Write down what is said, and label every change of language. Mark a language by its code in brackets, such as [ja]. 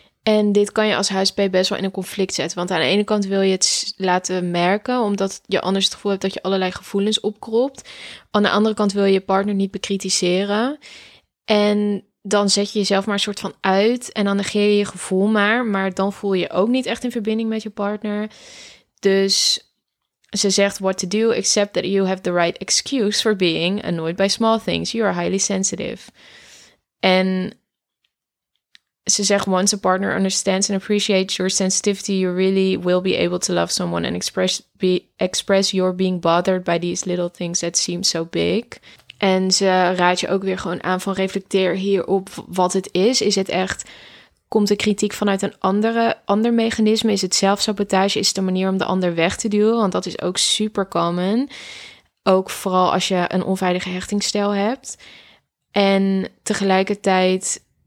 [nl] En dit kan je als HSP best wel in een conflict zetten. Want aan de ene kant wil je het laten merken, omdat je anders het gevoel hebt dat je allerlei gevoelens opkropt. Aan de andere kant wil je je partner niet bekritiseren. En dan zet je jezelf maar een soort van uit en dan negeer je je gevoel maar. Maar dan voel je ook niet echt in verbinding met je partner. Dus ze zegt, [en] what to do, except that you have the right excuse for being annoyed by small things. You are highly sensitive. [nl] En ze zegt, [en] once a partner understands and appreciates your sensitivity, you really will be able to love someone and express your being bothered by these little things that seem so big. [nl] En ze raad je ook weer gewoon aan van reflecteer hierop wat het is. Is het echt, komt de kritiek vanuit een ander mechanisme? Is het zelfsabotage? Is het een manier om de ander weg te duwen? Want dat is ook super common. Ook vooral als je een onveilige hechtingsstijl hebt. En tegelijkertijd